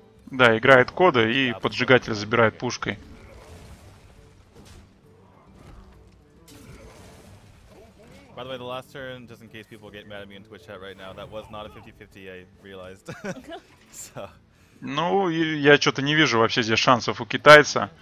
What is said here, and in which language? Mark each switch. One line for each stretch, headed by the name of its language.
Russian: Да, играет Кода, и поджигатель забирает пушкой.
English: By the way, the last turn, just in case people get mad at me in Twitch chat right now, that was not a 50-50, I realized. So.
Russian: Ну, я что-то не вижу вообще здесь шансов у китайца.